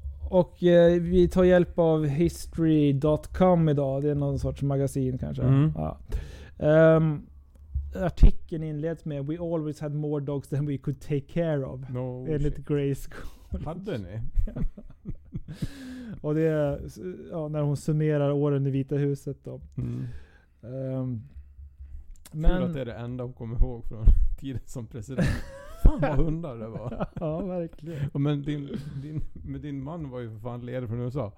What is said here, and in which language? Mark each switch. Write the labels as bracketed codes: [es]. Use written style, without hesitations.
[sv] Och vi tar hjälp av history.com idag. Det är någon sorts magasin kanske. Mm. Ja. Artikeln inleds med [en] "We always had more dogs than we could take care of." [sv] No, enligt Grace Coolidge. Hade ni? Och det är när hon summerar åren i Vita huset. Då. Mm. Men att det är det enda hon kommer ihåg från tiden som president. Fan vad hundar det var. Ja, verkligen. Och men din man var ju för fan ledare från USA.